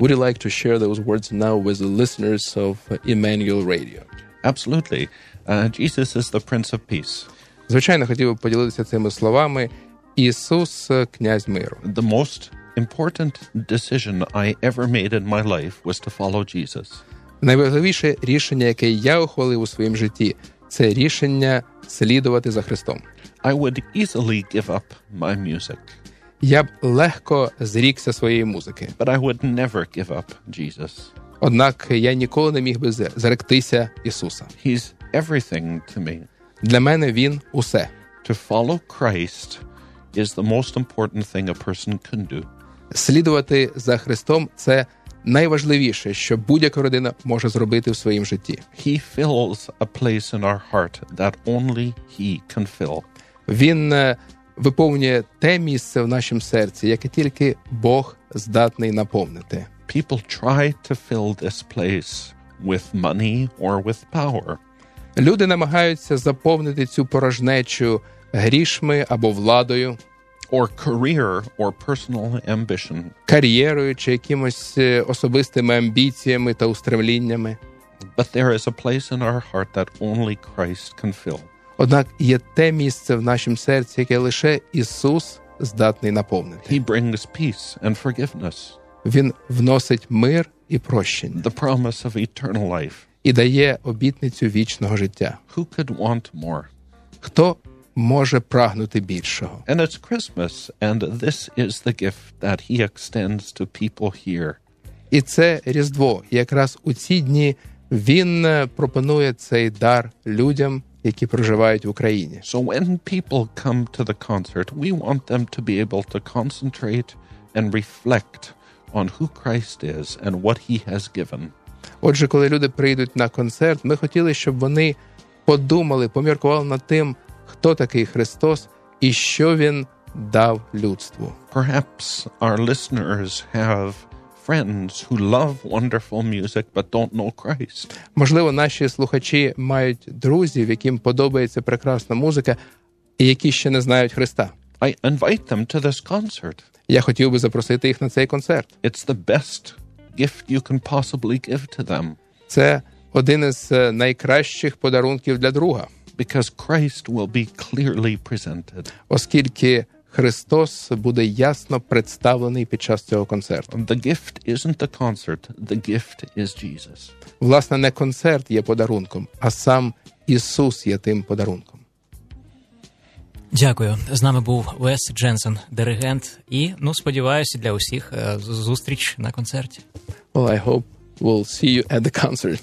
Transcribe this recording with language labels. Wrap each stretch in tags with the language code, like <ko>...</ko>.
<en>Would you like to share those words now with the listeners of Emmanuel Radio? Absolutely. Jesus is the Prince of Peace.</en> <uk>Звичайно, хотів би поділитися цими словами. Ісус – князь миру.</uk> <en>The most important decision I ever made in my life was to follow Jesus.</en> <uk>Найважливіше рішення, яке я ухвалив у своєму житті, це рішення слідувати за Христом.</uk> <en>I would easily give up my music.</en> <uk>Я б легко зрікся своєї музики.</uk> <en>But I would never give up Jesus.</en> <uk>Однак я ніколи не міг би зректися Ісуса.</uk> <en>He's everything to me.</en> <uk>Для мене він усе.</uk> <en>To follow Christ is the most important thing a person can do.</en> <uk>Слідувати за Христом – це найважливіше, що будь-яка людина може зробити в своїм житті.</uk> <en>He fills a place in our heart that only He can fill.</en> <uk>Він виповнює те місце в нашому серці, яке тільки Бог здатний наповнити.</uk> <en>People try to fill this place with money or with power.</en> <uk>Люди намагаються заповнити цю порожнечу грішми або владою,</uk> <en>or career, or personal ambition.</en> <uk>Кар'єрою чи якимось особистими амбіціями та устремліннями.</uk> <en>But there is a place in our heart that only Christ can fill.</en> <uk>Однак є те місце в нашому серці, яке лише Ісус здатний наповнити.</uk> <en>He brings peace and forgiveness.</en> <uk>Він вносить мир і прощення.</uk> <en>The promise of eternal life.</en> <uk>І дає обітницю вічного життя.</uk> <en>Who could want more?</en> <uk>Хто може прагнути більшого?</uk> <en>And it's Christmas, and this is the gift that he extends to people here.</en> <uk>І це Різдво. Якраз у ці дні він пропонує цей дар людям, які проживають в Україні.</uk> <en>So when people come to the concert, we want them to be able to concentrate and reflect on who Christ is and what he has given.</en> <uk>Отже, коли люди прийдуть на концерт, ми хотіли, щоб вони подумали, поміркували над тим, хто такий Христос і що він дав людству.</uk> <en>Perhaps our listeners have friends who love wonderful music but don't know Christ.</en> <uk>Можливо, наші слухачі мають друзів, яким подобається прекрасна музика, і які ще не знають Христа.</uk> <en>I invite them to this concert.</en> <uk>Я хотів би запросити їх на цей концерт.</uk> <en>It's the best gift you can possibly give to them.</en> <uk>Це один із найкращих подарунків для друга.</uk> <en>Because Christ will be clearly presented.</en> <uk>Оскільки Христос буде ясно представлений під час цього концерту.</uk> <en>The gift isn't the concert, the gift is Jesus.</en> <uk>Власне, не концерт є подарунком, а сам Ісус є тим подарунком. Дякую. З нами був Вес Дженсен, диригент, і, ну, сподіваюся, для усіх зустріч на концерті.</uk> <en>Well, I hope we'll see you at the concert.</en>